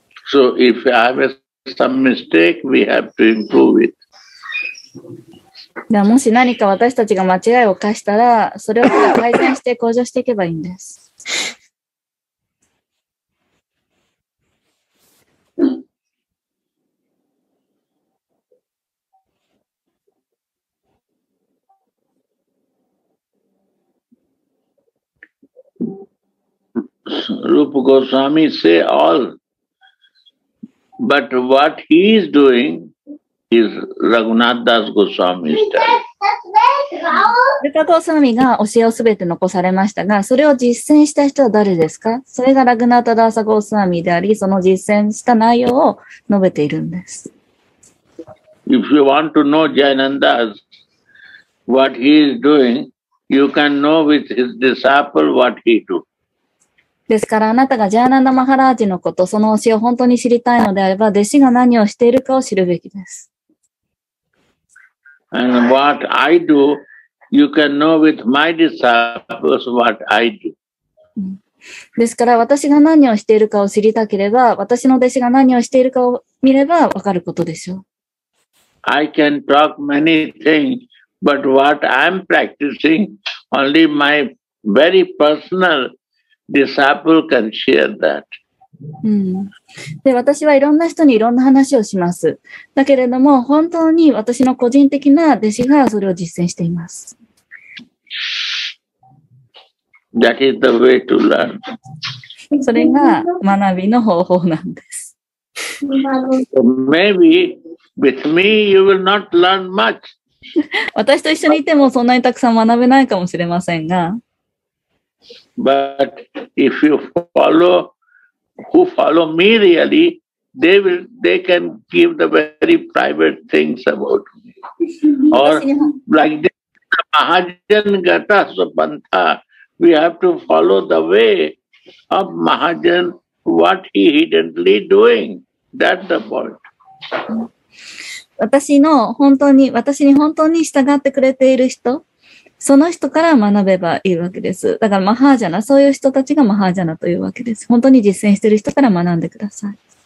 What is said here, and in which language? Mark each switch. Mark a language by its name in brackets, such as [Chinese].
[English] So if I have some mistake, we have to improve it. [Japanese] でもし何か私たちが間違いを犯したら、それを改善して向上していけばいいんです。 [English] Rupa Goswami say all. But what he is doing is Raghunath Das Goswami style. [Japanese] ルカ・ゴースワミが教えをすべて残されましたが、それを実践した人は誰ですか？それがラグナタ・ダーサ・ゴースワミであり、その実践した内容を述べているんです。 [English] If you want to know Jainanda's, what he is doing, you can know with his disciple what he do. [Japanese] ですから、あなたがジャーナンダ・マハラージのこと、その教えを本当に知りたいのであれば、弟子が何をしているかを知るべきです。 [English] And what I do, you can know with my disciples what I do. [Japanese] ですから私が何をしているかを知りたければ、私の弟子が何をしているかを見ればわかることでしょう。 [English] I can talk many things, but what I'm practicing, only my very personal disciple can share that. [Japanese] で私はいろんな人にいろんな話をします。だけれども、本当に私の個人的な弟子がそれを実践しています。 [English] That is the way to learn. [Japanese] それが学びの方法なんです。 [English] Maybe with me you will not learn much. [Japanese] 私と一緒にいてもそんなにたくさん学べないかもしれませんが。 [English] But if you follow,Who follow me really, they can give the very private things about me. Or like this, Mahajan Gata Sopanta, we have to follow the way of Mahajan, what he hiddenly doing. That's the point. [Japanese] 私に本当に従ってくれている人、その人から学べばいいわけです。だからマハージャナ、そういう人たちがマハージャナというわけです。本当に実践している人から学んでください。